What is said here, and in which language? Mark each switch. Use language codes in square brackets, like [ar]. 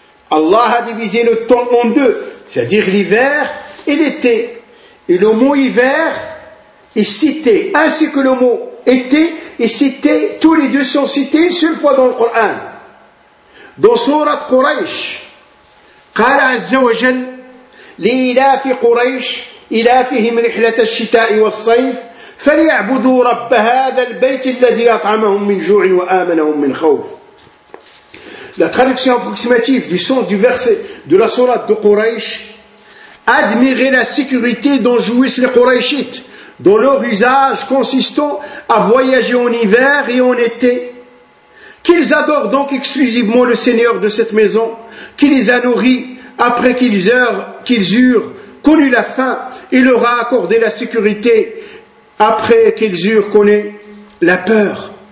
[fr] Allah a divisé le temps en deux, c'est-à-dire l'hiver et l'été. Et le mot hiver est cité, ainsi que le mot été est cité, tous les deux sont cités une seule fois dans le Coran. Dans Sourate Quraysh, [ar] قال عز وجل لإلاف قريش إلافهم رحلة الشتاء والصيف فليعبدوا رب هذا البيت الذي أطعمهم من جوع وآمنهم من خوف. [fr] La traduction approximative du son du verset de la sourate de Quraysh, admirez la sécurité dont jouissent les Quraishites, dont leur usage consistant à voyager en hiver et en été. Qu'ils adorent donc exclusivement le Seigneur de cette maison, qui les a nourris après qu'ils eurent connu la faim et leur a accordé la sécurité après qu'ils eurent connu la peur.